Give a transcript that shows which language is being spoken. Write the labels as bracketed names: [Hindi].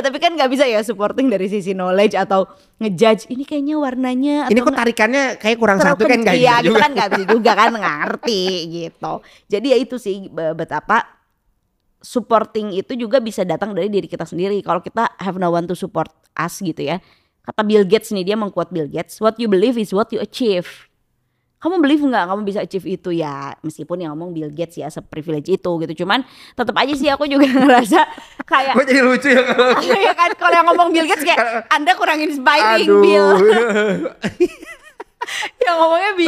[Indonesian] Tapi kan gak bisa ya supporting dari sisi knowledge atau ngejudge ini kayaknya warnanya atau ini kok tarikannya kayak kurang satu kan, gak bisa juga. Kan gak bisa juga kan ngerti gitu. Jadi ya itu sih betapa supporting itu juga bisa datang dari diri kita sendiri kalau kita [English] have no one to support us [Indonesian] gitu ya. Kata Bill Gates nih, dia meng-quote Bill Gates, [English] what you believe is what you achieve. [Indonesian] Kamu believe gak kamu bisa achieve itu ya, meskipun yang ngomong Bill Gates ya se-privilege itu gitu. Cuman tetap aja sih aku juga ngerasa kayak gue jadi lucu ya kan, kalau yang ngomong Bill Gates kayak Anda kurang inspiring. Aduh. Bill yang ngomongnya Bill